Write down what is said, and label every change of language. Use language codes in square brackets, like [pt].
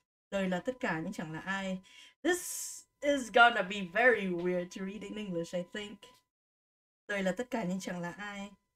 [vi] Đời là tất cả nhưng chẳng là ai. [en] This is gonna be very weird to read in English, I think. [vi] Đời là tất cả nhưng chẳng là ai.